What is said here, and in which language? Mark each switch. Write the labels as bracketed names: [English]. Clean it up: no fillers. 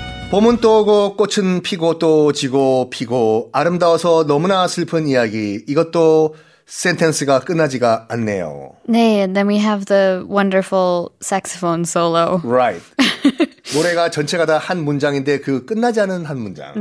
[Korean] 봄은 또 오고 꽃은 피고 또 지고 피고 아름다워서 너무나 슬픈 이야기. 이것도 sentence가 끝나지가 않네요. [English] 네, and then we have the wonderful saxophone solo. Right. [Korean] 노래가 전체가 다 한 문장인데 그 끝나지 않은 한 문장.